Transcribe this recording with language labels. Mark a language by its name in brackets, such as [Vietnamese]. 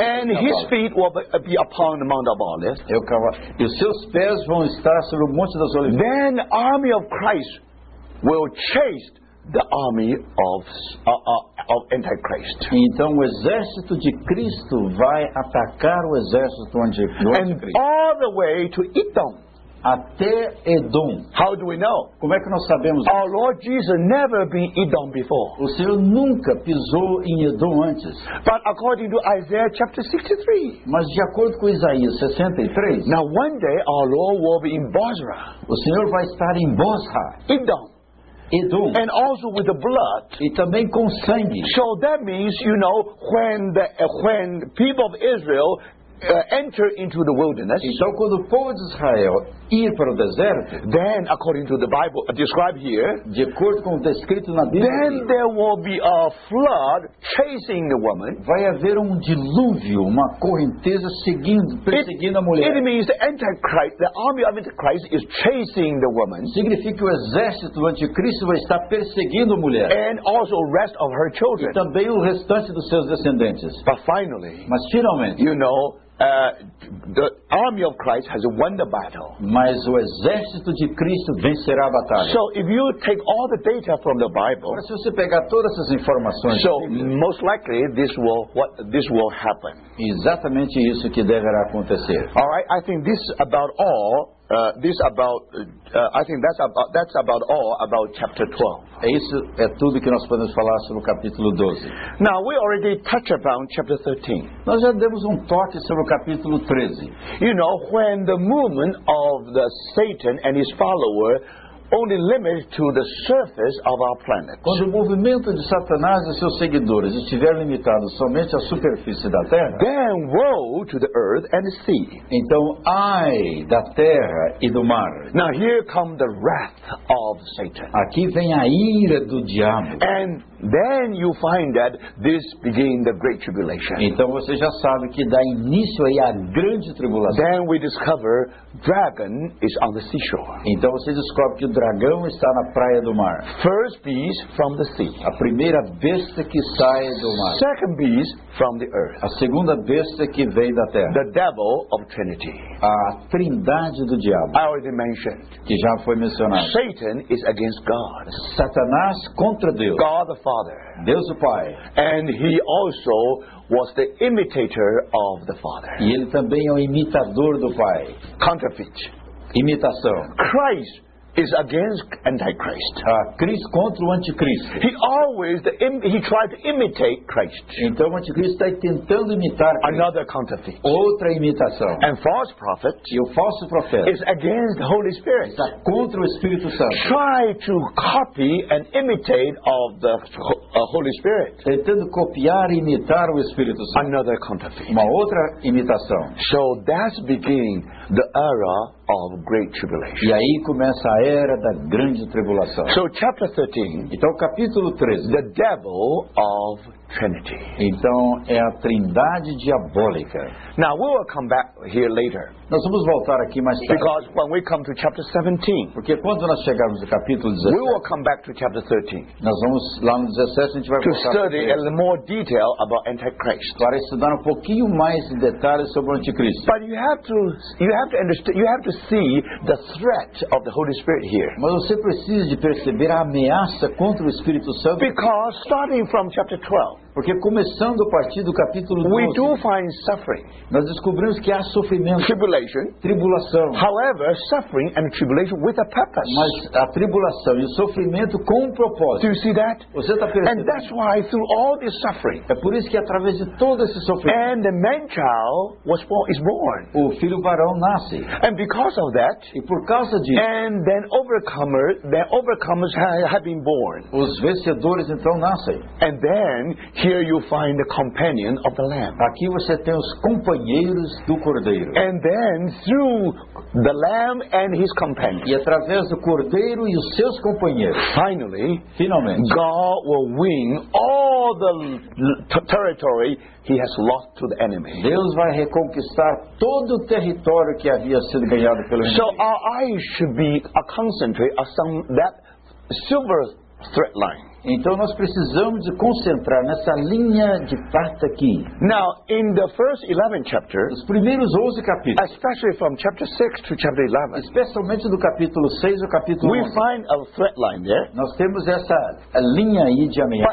[English] And his feet will be upon the Mount of Olives. [Portuguese] E os seus pés vão estar sobre o Monte das Oliveiras. [English] Then the army of Christ will chase the army of Antichrist. [Portuguese] Então o exército de Cristo vai atacar o exército do Anticristo. [English] And all the way to Edom. [Portuguese] Até Edom. [English] How do we know? [Portuguese] Como é que nós sabemos? [English] Our Lord Jesus never been Edom before. [Portuguese] O Senhor nunca pisou em Edom antes. [English] But according to Isaiah chapter 63. [Portuguese] Mas de acordo com Isaías 63. [English] Now one day our Lord will be in Bozra. [Portuguese] O Senhor vai estar em Bozra. [English] Edom. [Portuguese] Edom. [English] And also with the blood. [Portuguese] E também com sangue. [English] So that means, you know, when people of Israel enter into the wilderness. [Portuguese] Então, quando o povo de Israel ir para o deserto, [English] then according to the Bible described here, [Portuguese] de acordo com o descrito na Bíblia, [English] then there will be a flood chasing the woman. [Portuguese] Vai haver um dilúvio, uma correnteza perseguindo a mulher. [English] It means the Antichrist, the army of Antichrist is chasing the woman. [Portuguese] Significa que o exército do Anticristo vai estar perseguindo a mulher. [English] And also rest of her children. [Portuguese] E também o restante dos seus descendentes. [English] But finally, [Portuguese] mas finalmente, [English] you know, the army of Christ has won the battle. [Portuguese] Mas o exército de Cristo vencerá a batalha. [English] So if you take all the data from the Bible, [Portuguese] se você pegar todas essas informações, [English] so most likely this will happen. [Portuguese] Exatamente isso que deverá acontecer. [English] All right, I think this about all. I think that's about all about chapter 12. [Portuguese] Isso é tudo que nós podemos falar sobre o capítulo 12. [English] Now we already touched about chapter 13. [Portuguese] Nós já demos toque sobre o capítulo 13. [English] You know, when the movement of the Satan and his follower only limited to the surface of our planet. [Portuguese] Quando o movimento de Satanás e seus seguidores estiver limitado somente à superfície da Terra, [English] then woe to the earth and the sea. [Portuguese] Então, ai da Terra e do mar. [English] Now here come the wrath of Satan. [Portuguese] Aqui vem a ira do diabo. [English] And then you find that this begins the great tribulation. [Portuguese] Então você já sabe que dá início aí à grande tribulação. [English] Then we discover dragon is on the seashore. [Portuguese] Então você descobre que o dragão está na praia do mar. [English] First beast from the sea. [Portuguese] A primeira besta que sai do mar. [English] Second beast from the earth. [Portuguese] A segunda besta que vem da terra. [English] The devil of Trinity. [Portuguese] A trindade do diabo. [English] I already mentioned. [Portuguese] Que já foi mencionado. [English] Satan is against God. [Portuguese] Satanás contra Deus. [English] God the Father. [Portuguese] Deus o Pai. [English] And he also was the imitator of the Father. [Portuguese] E ele também é um imitador do Pai. [English] Counterfeit. [Portuguese] Imitação. [English] Christ is against Antichrist. [Portuguese] Cristo contra o anticristo. [English] He always he tried to imitate Christ. [Portuguese] Então o anticristo está tentando imitar Cristo. [English] Another counterfeit. [Portuguese] Outra imitação. [English] And false prophet. [Portuguese] E o falso profeta. [English] Is against the Holy Spirit. [Portuguese] Está contra o Espírito Santo. [English] Try to copy and imitate of the Holy Spirit. [Portuguese] Tentando copiar e imitar o Espírito Santo. [English] Another counterfeit. [Portuguese] Uma outra imitação. [English] So that's beginning the era of great tribulation. [Portuguese] E aí começa a era da grande tribulação. [English] So chapter 13. [Portuguese] Então capítulo 13. [English] The devil of Trinity. [Portuguese] Então é a trindade diabólica. [English] Now we will come back here later. [Portuguese] Nós vamos voltar aqui mais tarde. [English] Because when we come to chapter 17. [Portuguese] Porque quando nós chegarmos ao capítulo 17. [English] We will come back to chapter 13. [Portuguese] Nós vamos lá no 17 a gente vai voltar. [English] To study in more detail about Antichrist. [Portuguese] Para estudar um pouquinho mais em detalhes sobre o anticristo. [English] But you have to understand. You have to see the threat of the Holy Spirit here. [Portuguese] Mas você precisa de perceber a ameaça contra o Espírito Santo. [English] Because starting from chapter 12. [Portuguese] Porque começando a partir do capítulo 12. [English] We do find suffering. [Portuguese] Nós descobrimos que há sofrimento. [English] Tribulation. [Portuguese] Tribulação. [English] However, suffering and tribulation with a purpose. [Portuguese] Mas a tribulação e o sofrimento com um propósito. [English] Do you see that? [Portuguese] Você está percebendo? [English] And that's why through all this suffering. [Portuguese] É por isso que através de todo esse sofrimento. [English] And the man child was born, is born. [Portuguese] O filho varão nasce. [English] And because of that. [Portuguese] E por causa disso. [English] And then overcomers have been born. [Portuguese] Os vencedores então nascem. [English] And then here you find the companion of the Lamb. [Portuguese] Aqui você tem os companheiros do Cordeiro. [English] And then through the Lamb and his companions. [Portuguese] E através do Cordeiro e os seus companheiros. Finalmente, [English] God will win all the territory he has lost to the enemy. [Portuguese] Deus vai reconquistar todo o território que havia sido ganhado pelo inimigo. [English] So our eyes should be a concentrate of some that silver threat line. [Portuguese] Então nós precisamos de concentrar nessa linha de prata aqui. [English] Now, in the first 11 chapters, [Portuguese] os primeiros 11 capítulos, [English] especially from chapter 6 to chapter 11, [Portuguese] especialmente do capítulo 6 ao capítulo 11, [English] we find a threat line there. [Portuguese] Nós temos essa linha aí de ameaça.